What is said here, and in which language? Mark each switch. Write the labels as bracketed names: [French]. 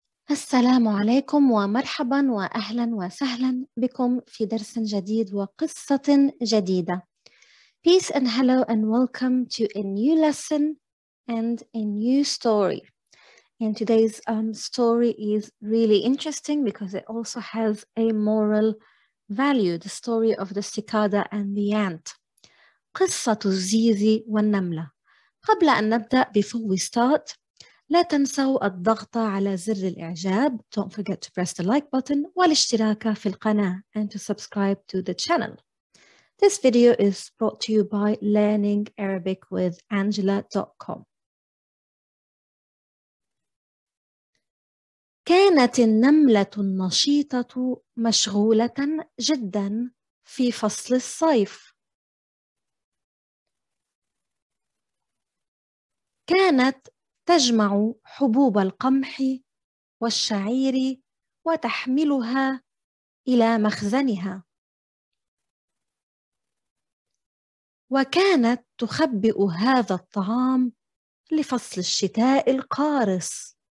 [Arabic] السلام عليكم ومرحبا وأهلا وسهلا بكم في درس جديد وقصة جديدة. [English] Peace and hello and welcome to a new lesson and a new story. And today's story is really interesting because it also has a moral value, the story of the cicada and the ant. [Arabic] قصة الزيزي والنملة. قبل أن نبدأ, [English] before we start, [Arabic] لا تنسوا الضغط على زر الإعجاب. [English] Don't forget to press the like button [Arabic] والاشتراك في القناة [English] and to subscribe to the channel. This video is brought to you by Learning Arabic with Angela.com. [Arabic] كانت النملة النشيطة مشغولة جدا في فصل الصيف. كانت تجمع حبوب القمح والشعير وتحملها إلى مخزنها، وكانت تخبئ هذا الطعام لفصل الشتاء القارس.